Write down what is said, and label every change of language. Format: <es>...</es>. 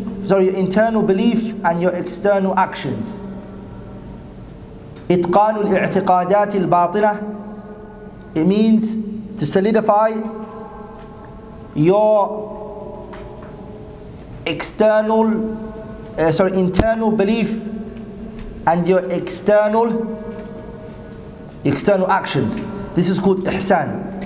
<en>sorry, your internal belief and your external actions.</en> <ar>إتقان الاعتقادات الباطنة.</ar> <en>It means to solidify your external, internal belief and your external actions. This is called ihsan.</en>